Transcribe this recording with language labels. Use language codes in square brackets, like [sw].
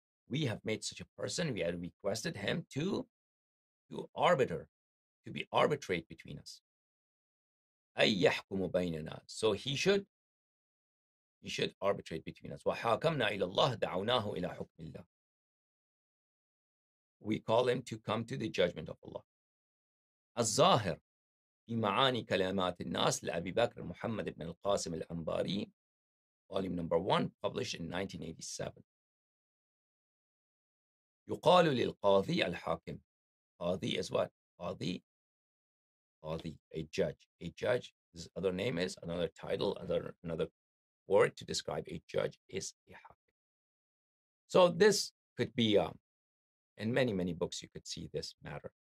[en] We have made such a person, we had requested him to arbitrate between us. [ar] أَيْ يَحْكُمُ بَيْنَنَا. [en] So he should arbitrate between us. [ar] وَحَاكَمْنَا إِلَى اللَّهِ دَعُونَاهُ إِلَى حُكْمِ اللَّهِ. [en] We call him to come to the judgment of Allah. [ar] الظاهر بمعاني كلمات الناس لأبي بكر محمد بن القاسم الأنباري. [en] Volume number 1, published in 1987. [ar] يقال للقاضي الحاكم. [en] قاضي is what? قاضي. قاضي. A judge. A judge. His other name is another title, another word to describe a judge is a hakim. So this could be, in many, many books, you could see this matter.